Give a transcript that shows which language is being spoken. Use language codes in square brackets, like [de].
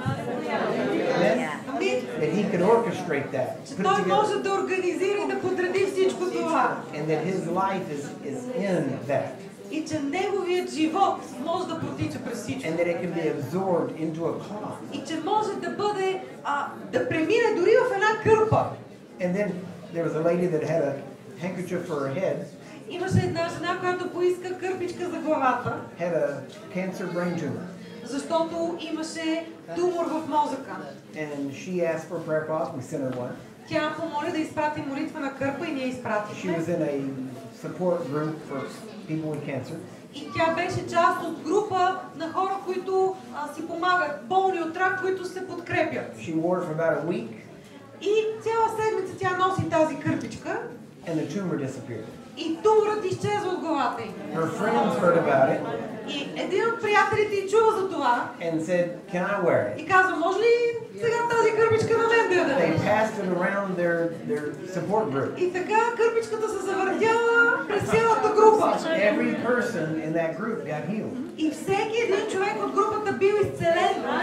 [en] That he can orchestrate that. [bg] Че той може да организира и да подреди всичко това. [en] And that his life is in that. [bg] И че неговият живот може да протича през всичко. [en] And that it can be absorbed into a cloth. [bg] И че може да бъде, да премине дори в една кърпа. [en] And then there was a lady that had a handkerchief for her head. [bg] Имаше една жена, която поиска кърпичка за главата. [en] Had a cancer brain tumor. [bg] Защото имаше тумор в мозъка. [en] And she asked for a prayer cloth. We sent her one. [bg] Тя помоли да изпрати молитва на кърпа и ние изпратихме. [en] She was in a support group for people with cancer. [bg] И тя беше част от група на хора, които си помагат, болни от рак, които се подкрепят. [en] She wore it for about a week. [bg] И цяла седмица тя носи тази кърпичка. [en] And the tumor disappeared. [bg] И туморът изчезва от главата й. [en] Her friends heard about it. [bg] И един от приятелите й чува за това. [en] And said, can I wear it? [bg] И казва, може ли сега тази кърпичка на мен да я дадеш? [en] They passed it around their support group. [bg] И така кърпичката се завъртяла през цялата група. [en] Every person in that group got healed. [bg] И всеки един човек от групата бил изцелен.